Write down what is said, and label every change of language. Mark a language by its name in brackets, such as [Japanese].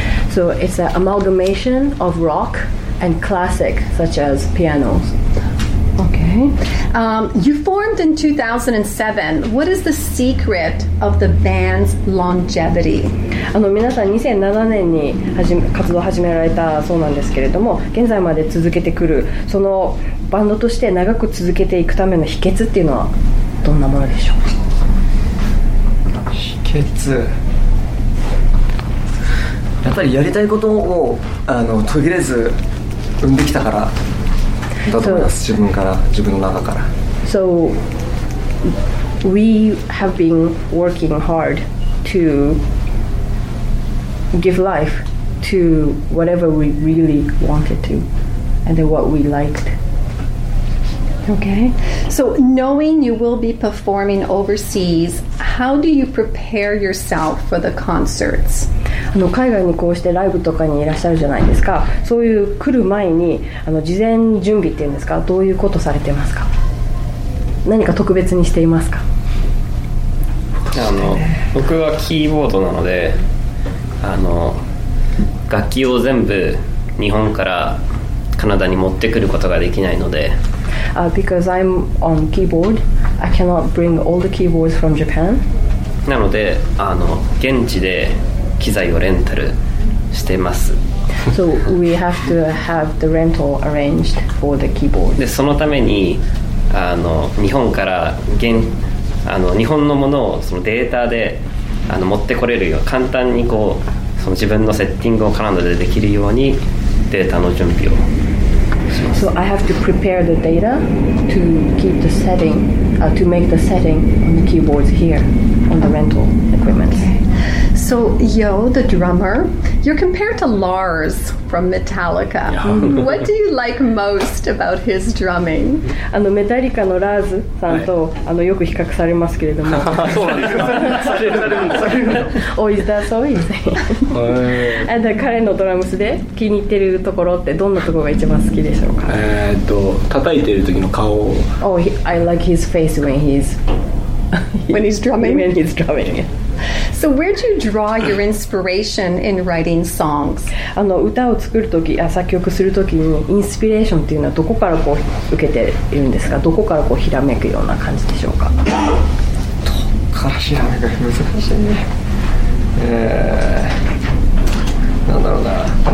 [English] So it's an amalgamation of rock and classic, such as pianos. Okay. You formed in 2007. What is the secret of the band's longevity? [Japanese] あの、皆さん2007年に活動を始められたそうなんですけれども、現在まで続けてくる、そのバンドとして長く続けていくための秘訣っていうのはどんなものでしょう？秘訣、やっぱりやりたいことを、あの、途切れず生んできたからだと思います。自分から、自分の中から。 [English] So we have been working hard to give life to whatever we really wanted to, and then what we liked. Okay. So knowing you will be performing overseas, how do you prepare yourself for the concerts? [Japanese] あの海外にこうしてライブとかにいらっしゃるじゃないですか。そういう来る前にあの事前準備っていうんですか。どういうことされてますか。何か特別にしていますか。あの僕はキーボードなので、あの楽器を全部日本からカナダに持ってくることができないので、 [English] Because I'm on keyboard, I cannot bring all the keyboards from Japan. [Japanese] なのであの現地で機材をレンタルしてます。 [English] So we have to have the rental arranged for the keyboard. [Japanese] でそのためにあの日本から現あの日本のものをそのデータであの持ってこれるよう簡単にこうその自分のセッティングをカナダでできるようにデータの準備をします。 [English] So I have to prepare the data to keep the setting, to make the setting on the keyboards here on the rental equipment. So Yo, the drummer, you're compared to Lars from Metallica. Yeah. What do you like most about his drumming? [Japanese] あのメタリカのラーズさんと、はい、あのよく比較されますけれども。そうなんですか。されるんですか。 [English] Oh, is that so? Is that? [Japanese] And 彼のドラムスで気に入ってるところってどんなところが一番好きでしょうか。叩いてる時の顔を。 [English] Oh, I like his face when he's when he's drumming. When he's drumming. So where do you draw your inspiration in writing songs? [Japanese] あの歌を作るとき、作曲するときにインスピレーションっていうのはどこからこう受けているんですか？どこからこうひらめくような感じでしょうか？どこからひらめく？難しいね。なんだろうな。